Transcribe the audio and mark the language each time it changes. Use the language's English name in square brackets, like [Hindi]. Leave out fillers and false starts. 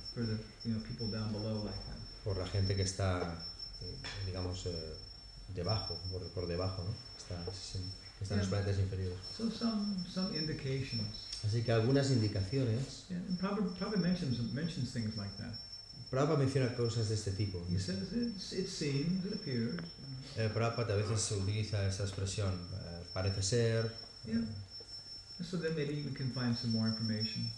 [English] For the, you know, people down below like them. [Spanish] Por la gente que está, digamos, debajo, por debajo, ¿no? Está en los planetas inferiores. [English] So some indications. [Spanish] Así que algunas indicaciones. [English] Yeah, probably mentions things like that. [Spanish] Prabhupada menciona cosas de este tipo. [English] He says it seems, it appears. [Spanish] Prabhupada a veces utiliza esa expresión, parece ser. [English] Yeah. So then maybe we can find some more information.